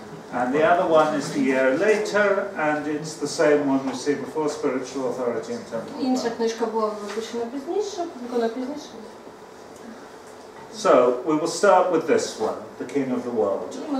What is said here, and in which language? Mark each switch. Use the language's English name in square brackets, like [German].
[English] And the other one is the year later, and it's the same one we see before, Spiritual Authority and Temporal Power. [Ukrainian] Інша книжка була випущена пізніше, виконана пізніше. [English] So, we will start with this one, The King of the World.